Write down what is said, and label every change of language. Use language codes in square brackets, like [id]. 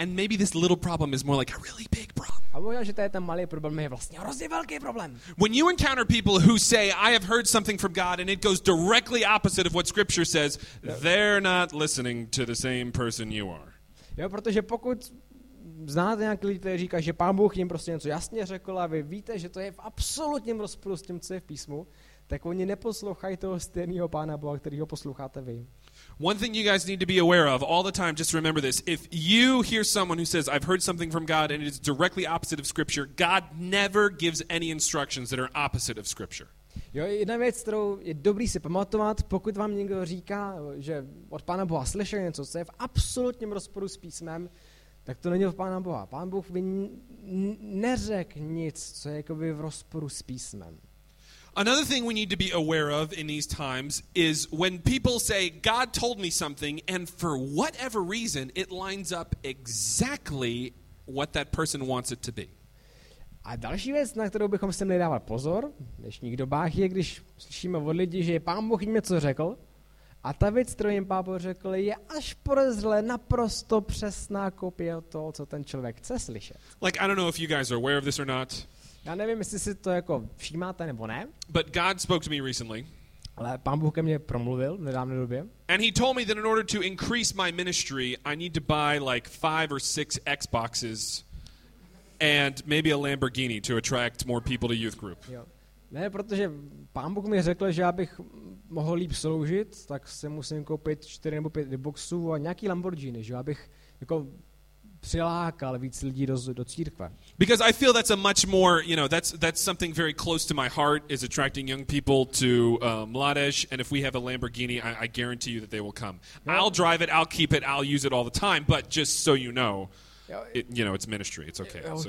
[en] And maybe this little problem is more like a really big problem. [cs] A možná, že tady ten malý problém je vlastně hrozně velký problém. [en] When you encounter people who say I have heard something from God and it goes directly opposite of what scripture says, they're not listening to the same person you are. [cs] Jo, protože pokud znáte nějaký lidi, kteří říká, že Pán Bůh jim prostě něco jasně řekl a vy víte, že to je v absolutním rozporu s tím, co je v písmu, tak oni neposlouchají toho stejného Pána Boha, kterýho posloucháte vy. [en] One thing you guys need to be aware of all the time, just remember this, if you hear someone who says, I've heard something from God and it is directly opposite of Scripture, God never gives any instructions that are opposite of Scripture. [cs] Jo, jedna věc, kterou je dobrý si pamatovat, pokud vám někdo říká, že od Pána Boha slyšel něco, co je v absolutním rozporu s písmem, tak to není od Pána Boha. Pán Bůh by neřek nic, co je jakoby v rozporu s písmem. [en] Another thing we need to be aware of in these times is when people say, God told me something, and for whatever reason, it lines up exactly what that person wants it to be. [cs] A další věc, na kterou bychom se měli dávat pozor v dnešních dobách, je, když slyšíme od lidí, že Pán Bůh jim něco řekl, a ta věc, kterou jim Pán Bůh řekl, je až podezřelé naprosto přesná kopie toho, co ten člověk chce slyšet. [en] Like, I don't know if you guys are aware of this or not. [cs] Já nevím, jestli si to jako všímáte nebo ne. [en] But God spoke to me recently. [cs] Ale Pán Bůh ke mně promluvil v nedávné době. [en] And he told me that in order to increase my ministry, I need to buy like 5 or 6 Xboxes and maybe a Lamborghini to attract more people to youth group. [cs] Jo. Ne, protože Pán Bůh mi řekl, že abych mohl líp sloužit, tak se musím koupit 4 nebo 5 Xboxů a nějaký Lamborghini, že abych jako přilákal víc lidí do církve. [en] Because I feel that's a much more, you know, that's something very close to my heart is attracting young people to Mladež, and if we have a Lamborghini, I guarantee you that they will come. [cs] Jo. [en] I'll drive it, I'll keep it, I'll use it all the time, but just so you know, it, you know, it's ministry, it's okay.